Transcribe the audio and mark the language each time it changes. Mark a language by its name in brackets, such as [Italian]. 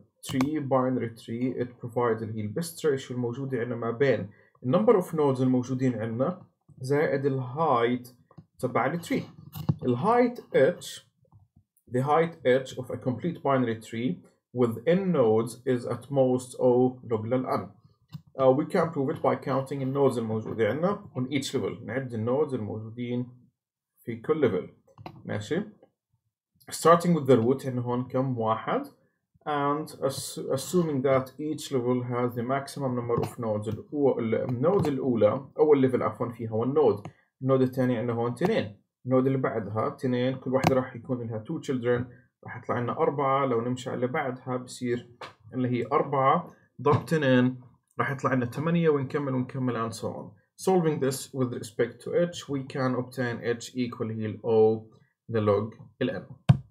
[English] tree binary tree it provides the best ratio [Arabic] الموجودة عندنا ما بين [English] the number of nodes [Arabic] الموجودين عندنا زائد [English] ال height تبع ال tree ال height h the height h of a complete binary tree with n nodes is at most O log لل n we can prove it by counting the nodes [Arabic] الموجودة عندنا [English] on each level [Arabic] نعد [English] the nodes [Arabic] الموجودين في كل [English] level [Arabic] ماشي [English] Starting with the root, and [Arabic] هون كم واحد [English] And assuming that each level has the maximum number of nodes, [Arabic] النود الأولى أو الليفل عفوا فيها هو النود، النود الثاني عنده هون تنين، النود اللي بعدها تنين، كل واحدة راح يكون لها [English] two children، [Arabic] راح يطلع لنا أربعة، لو نمشي على اللي بعدها بصير اللي هي أربعة ضرب تنين، راح يطلع لنا ثمانية ونكمل ونكمل [English] and so on. Solving this with respect to h, we can obtain h equal to o the log ln.